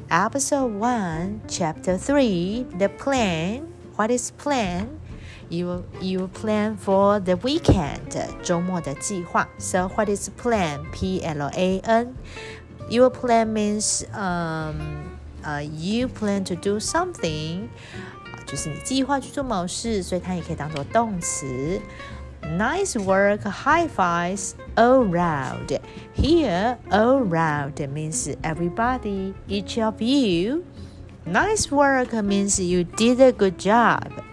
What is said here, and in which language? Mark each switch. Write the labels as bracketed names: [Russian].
[English] Episode 1, Chapter 3, The Plan. What is plan? You plan for the weekend, [Chinese] 周末的计划. [English] So what is plan? P-L-A-N. Your plan means you plan to do something. [Chinese] 就是你计划去做某事，所以它也可以当作动词。 [English] Nice work, high fives, all round. Here, all round means everybody, each of you. Nice work means you did a good job.